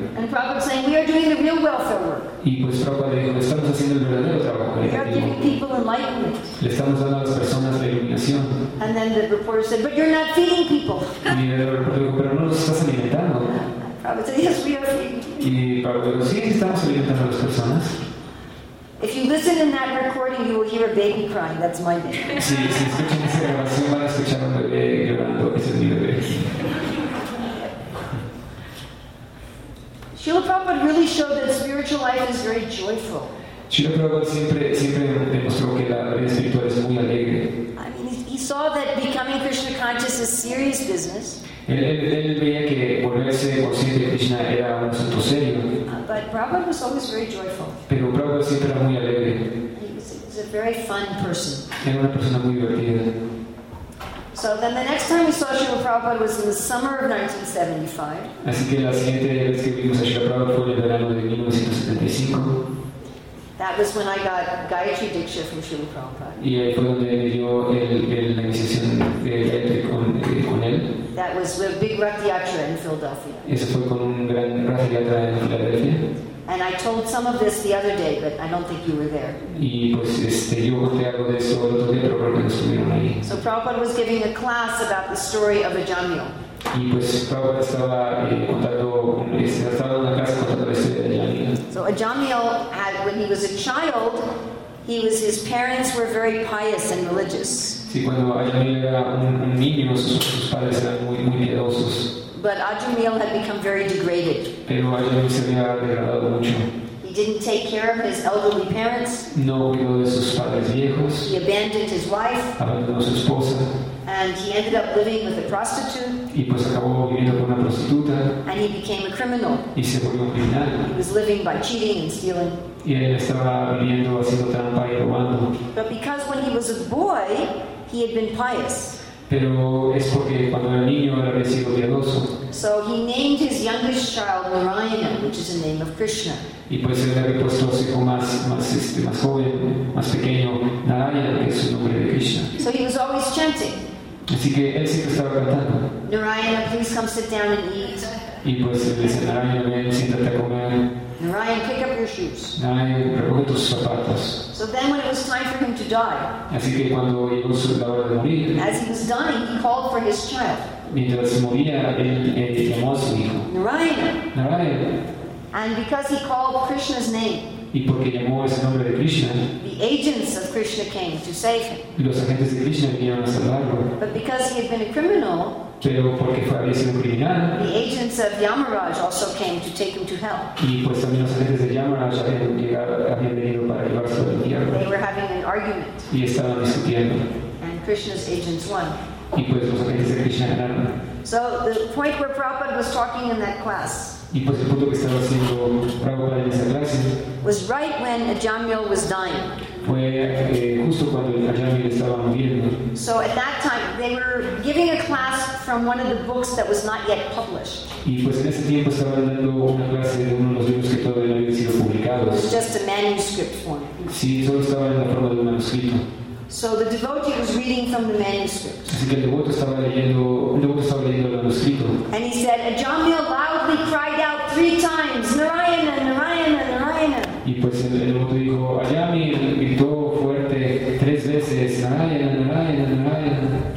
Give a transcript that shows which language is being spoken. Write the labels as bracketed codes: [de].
[en] And Prabhupada saying we are doing the real welfare work. [es] Y pues Prabhupada dijo estamos haciendo el verdadero trabajo. [en] We are giving people enlightenment. [es] Le estamos dando a las personas la iluminación. [en] And then the reporter said, but you're not feeding people. [es] Y el reportero dijo, pero no los estás alimentando. [en] Prabhupada said, yes, we are feeding. [es] Y Prabhupada dijo, sí, estamos alimentando a las personas. [en] If you listen in that recording, you will hear a baby crying. That's my baby. [es] Sí, si escuchan esa grabación, van a escuchar un bebé llorando. Ese es mi bebé. [en] Srila Prabhupada really showed that spiritual life is very joyful. [es] Srila Prabhupada siempre demostró que la vida espiritual es muy alegre. [en] I mean, he saw that becoming Krishna conscious is serious business. [es] Él veía que volverse consciente de Krishna era un asunto serio. [en] But Prabhupada was always very joyful. [es] Pero Prabhupada siempre era muy alegre. [en] He was a very fun person. [es] Era una persona muy divertida. [en] So then the next time we saw Srila Prabhupada was in the summer of 1975. [es] Así que la siguiente vez que vimos a Srila Prabhupada fue en el verano de 1975. [en] That was when I got Gayatri Diksha from Srila Prabhupada. [es] Y ahí fue donde me dio la iniciación de Gayatri con él. [en] That was with a big Rathyatra in Philadelphia. [es] Eso fue con un gran Rathyatra en Filadelfia. [en] And I told some of this the other day, but I don't think you were there. [es] Y pues yo conté algo de eso el otro día, pero creo que no estuvieron ahí. [en] So Prabhupada was giving a class about the story of Ajamil. [es] Y pues Prabhupada estaba dando una clase contando la historia de Ajamil. [en] So Ajamil had, when he was a child, his parents were very pious and religious. [es] Sí, cuando Ajamil era un niño, sus padres eran muy, muy piadosos. [en] But Ajamil had become very degraded. [es] Pero Ajamil se había degradado mucho. [en] He didn't take care of his elderly parents. [es] No cuidó de sus padres viejos. [en] He abandoned his wife. [es] Abandonó su esposa. [en] And he ended up living with a prostitute. [es] Y pues acabó viviendo con una prostituta. [en] And he became a criminal. [es] Y se volvió un criminal. [en] He was living by cheating and stealing. [es] Y él estaba viviendo haciendo trampa y robando. [en] But because when he was a boy, he had been pious. [es] Pero es porque cuando era niño él había sido piadoso. [en] So he named his youngest child Narayana, which is the name of Krishna. [es] Y pues él había puesto a su hijo más joven, más pequeño, Narayana, que es el nombre de Krishna. [en] So he was always chanting. [es] Así que él siempre estaba cantando. [en] Narayana, please come sit down and eat. [es] Y pues él dice, Narayana, ven, siéntate a comer. [en] Narayana, pick up your shoes. [es] Narayana, recoge tus zapatos. [en] So then when it was time for him to die, [es] así que cuando llegó su hora de morir, [en] as he was dying, he called for his child. [es] Mientras moría, él llamó a su hijo. [en] Narayana. [es] Narayana. [en] And because he called Krishna's name, [es] y porque llamó ese nombre de Krishna, [en] the agents of Krishna came to save him. [es] Y los agentes de Krishna vinieron a salvarlo. [en] But because he had been a criminal, [es] pero porque había sido un criminal, [en] the agents of Yamaraj also came to take him to hell. [es] Y pues también los agentes de Yamaraj habían venido para llevarse al infierno. [en] They were having an argument. [es] Y estaban discutiendo. [en] And Krishna's agents won. [es] Y pues los agentes de Krishna ganaron. [en] So the point where Prabhupada was talking in that class, [es] y pues el punto que estaba haciendo Prabhupada en esa clase, [en] was right when Ajamil was dying. [es] Fue justo cuando Ajamil estaba muriendo. [en] So at that time they were giving a class from one of the books that was not yet published. [es] Y pues en ese tiempo estaban dando una clase de uno de los libros que todavía no habían sido publicados. [en] It was just a manuscript form. [es] Sí, solo estaba en la forma de un manuscrito. [en] So the devotee was reading from the manuscript. [es] Así que el devoto estaba leyendo el manuscrito. [en] And he said, Ajamil loudly cried out three times, Narayana, Narayana, Narayana. [es] Y pues el devoto dijo, Ajamil gritó fuerte tres veces, Narayana, Narayana, Narayana.